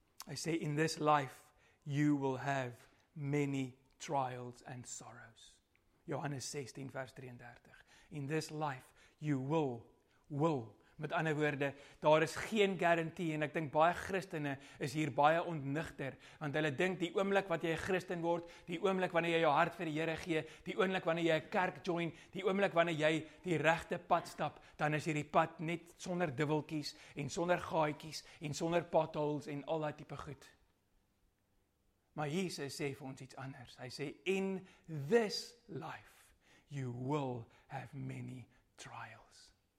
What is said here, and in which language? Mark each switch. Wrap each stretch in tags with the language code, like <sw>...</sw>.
<af>Hy sê,</af> <en>in this life you will have many trials and sorrows.</en> <af>Johannes 16 vers 33.</af> <en>In this life you will.</en> <af>Met ander woorde, daar is geen garantie en ek dink baie Christene is hier baie ontnigter, want hulle dink die oomblik wat jy 'n Christen word, die oomblik wanneer jy jou hart vir die Here gee, die oomblik wanneer jy 'n kerk join, die oomblik wanneer jy die regte pad stap, dan is hierdie pad net sonder dubbeltjies en sonder gaatjies en sonder potholes en al daai tipe goed. Maar Jesus sê vir ons iets anders. Hy sê,</af> <en>in this life, you will have many trials.</en>